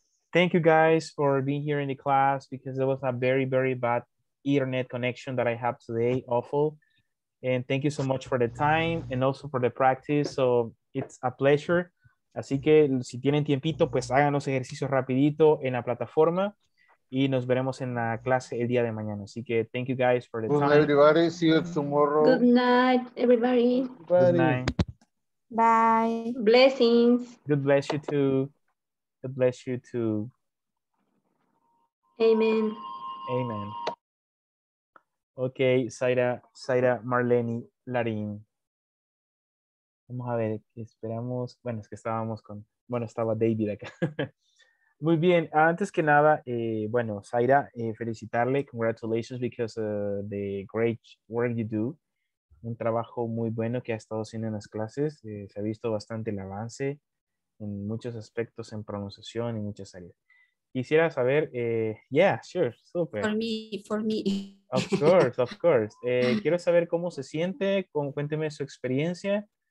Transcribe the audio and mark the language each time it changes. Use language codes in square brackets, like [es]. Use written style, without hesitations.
[en] Thank you guys for being here in the class because there was a very, very bad internet connection that I have today, awful. And thank you so much for the time and also for the practice. So it's a pleasure. [es] Así que si tienen tiempito, pues hagan los ejercicios rapidito en la plataforma y nos veremos en la clase el día de mañana. Así que [en] thank you guys for the good time. Good night, everybody. See you tomorrow. Good night, everybody. Good night. Bye. Blessings. God bless you too. God bless you too. Amen. Amen. Okay, Zaira Marlene Larín. [es] Vamos a ver, esperamos. Bueno, es que estábamos con. Bueno, estaba David acá. Muy bien, antes que nada, bueno, Zaira, felicitarle. [en] Congratulations because of the great work you do. [es] Un trabajo muy bueno que ha estado haciendo en las clases. Se ha visto bastante el avance en muchos aspectos, en pronunciación y muchas áreas. Quisiera saber, [en] yeah, sure, super. For me. Of course. [es] Quiero saber cómo se siente, cuénteme su experiencia.